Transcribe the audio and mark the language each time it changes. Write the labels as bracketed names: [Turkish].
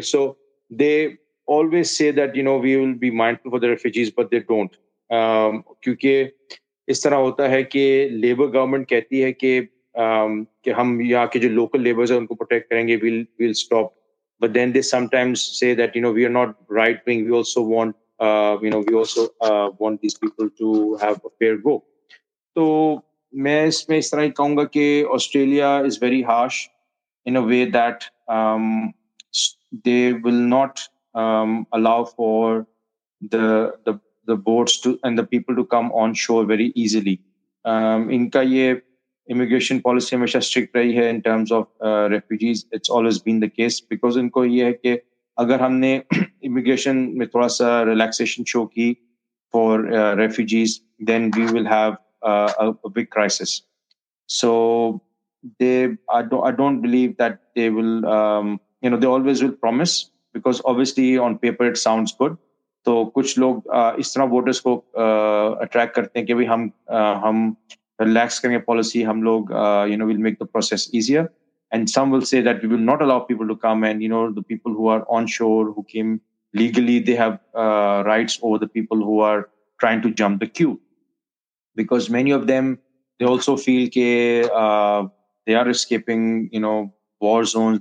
[English] So they always say that we will be mindful for the refugees, but they don't. [Hindi] क्योंकि इस तरह होता है कि लेबर गवर्नमेंट कहती है कि हम यहाँ के जो लोकल लेबर्स हैं उनको प्रोटेक्ट करेंगे, [English] we'll stop. But then they sometimes say that we are not right wing, we also want want these people to have a fair go. [Hindi] So main isme is tarah kahunga ki [English] Australia is very harsh in a way that they will not allow for the boats to and the people to come on shore very easily. Inka ye [Hindi] immigration policy हमेशा strict रही है [English] in terms of refugees, it's always been the case, [Hindi] because इनको ये है कि अगर हमने immigration में थोड़ा सा रिलैक्सेशन शो की for refugees, [English] Then we will have a big crisis. So they I don't believe that they will you know they always will promise, because obviously on paper it sounds good. [Hindi] तो कुछ लोग इस तरह voters को attract करते हैं कि भाई हम रिलैक्स करेंगे पॉलिसी, हम लोग [English] You know will make the process easier. And some will say that we will not allow people to come. And, you know, the people who are onshore, who came legally, they have rights over the people who are trying to jump the queue. Because many of them, they also feel that they are escaping, you know, war zones.